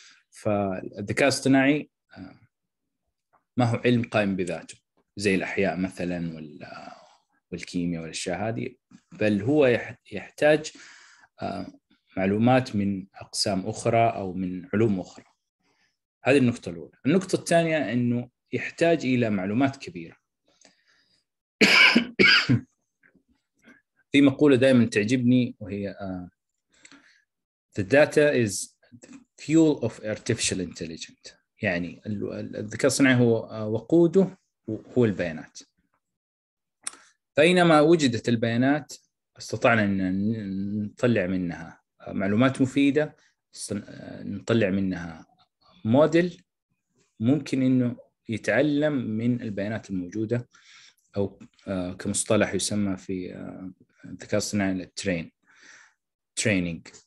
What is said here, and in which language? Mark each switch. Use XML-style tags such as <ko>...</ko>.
<ar>فالذكاء الاصطناعي ما هو علم قائم بذاته زي الأحياء مثلاً والكيمياء والأشياء هذه, بل هو يحتاج معلومات من أقسام أخرى أو من علوم أخرى. هذه النقطة الأولى. النقطة الثانية أنه يحتاج إلى معلومات كبيرة. في مقولة دائماً تعجبني وهي</ar> <en>The data is the fuel of artificial intelligence.</en> <ar>يعني الذكاء الصناعي هو وقوده هو البيانات. فأينما وجدت البيانات استطعنا أن نطلع منها معلومات مفيدة, نطلع منها موديل ممكن أنه يتعلم من البيانات الموجودة, أو كمصطلح يسمى في الذكاء الصناعي training.</ar>